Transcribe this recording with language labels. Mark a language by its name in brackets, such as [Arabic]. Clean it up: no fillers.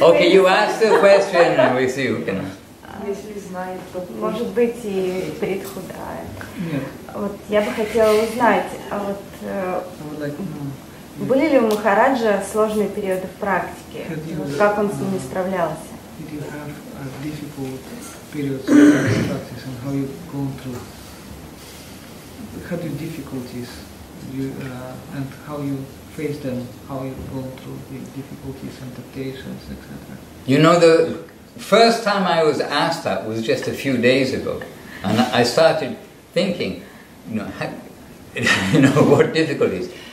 [English] Okay, you ask the question and we see who can ask. [Russian] Если знает, то... Может быть, и Preetu, да. Нет. Вот я бы хотела узнать, а вот... Были ли у Махараджа сложные периоды в практике? Как он с ними справлялся? [English] Did you have a difficult period of practice and how you've gone through? Had your difficulties, and how you face them, how you go through the difficulties and temptations, etc. You know, the first time I was asked that was just a few days ago, and I started thinking, you know, what difficulties.